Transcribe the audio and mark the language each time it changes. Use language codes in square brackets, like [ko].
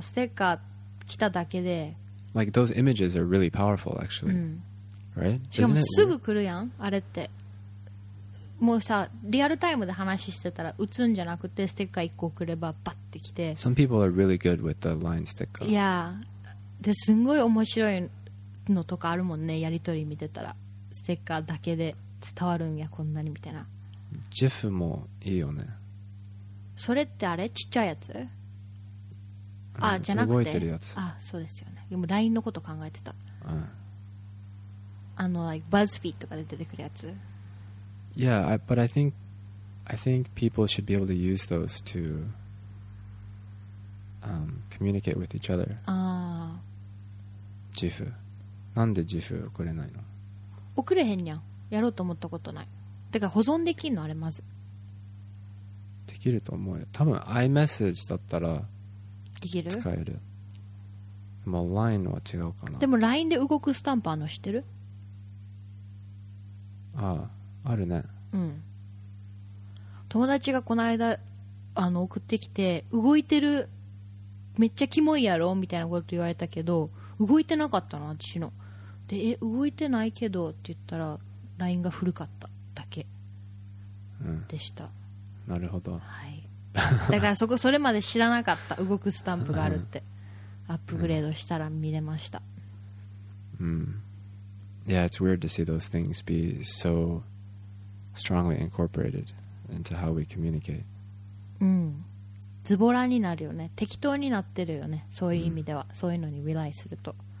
[ja] ステッカー来ただけで。 [en] Like those images are really powerful, actually. Right? [ja] しかもすぐ来るやん。あれって。もうさ、リアルタイムで話してたら打つんじゃなくてステッカー一個くればバッて来て。 [en] Some people are really good with the line sticker. Yeah. [ja] で、すごい面白いのとかあるもんね。やりとり見てたらステッカーだけで伝わるんやこんなにみたいな。ジフもいいよね。それってあれ？ちっちゃいやつ？あ、じゃなくて。動いてるやつ。あ、そうですよね。でも LINE のこと考えてた。 like BuzzFeed とかで出てくるやつ。 [en] Yeah, but I think people should be able to use those to communicate with each other. [ja] GIF. なんで GIF 送れないの？送れへんにゃん。やろうと思ったことない。てか保存できんのあれまず。できると思うよ。多分 iMessage だったらできる。使える。まあ LINE のは違うかな。でも LINE で動くスタンプあの知ってる？ああ、あるね。うん。友達がこの間送ってきて動いてるめっちゃキモいやろみたいなこと言われたけど動いてなかったの私ので、え動いてないけどって言ったら LINE が古かっただけでした、うん、なるほど、はい、だから それまで知らなかった動くスタンプがあるって、うん、アップグレードしたら見れました。 [en] うん、Yeah, it's weird to see those things be so strongly incorporated into how we communicate. [ja] うん、ズボラになるよね。適当になってるよね。そういう意味では、うん、そういうのに rely すると。